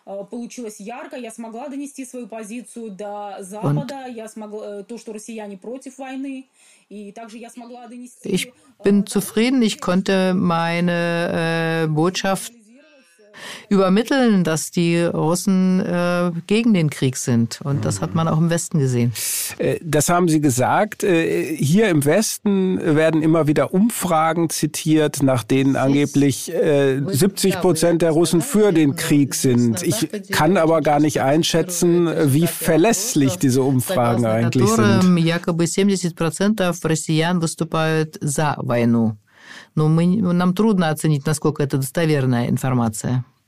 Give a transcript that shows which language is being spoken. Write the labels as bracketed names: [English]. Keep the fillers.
[Russian] получилось ярко, я смогла донести свою позицию до Запада, я смогла то, что россияне против войны, и также я смогла донести. [German] Ich bin zufrieden, ich konnte meine äh, Botschaft übermitteln, dass die Russen äh, gegen den Krieg sind. Und das hat man auch im Westen gesehen. Das haben Sie gesagt. Hier im Westen werden immer wieder Umfragen zitiert, nach denen angeblich äh, 70 Prozent der Russen für den Krieg sind. Ich kann aber gar nicht einschätzen, wie verlässlich diese Umfragen eigentlich sind. [Russian] Якобы 70 процентов россиян выступают за войну. но мы, нам трудно оценить, насколько это достоверная информация.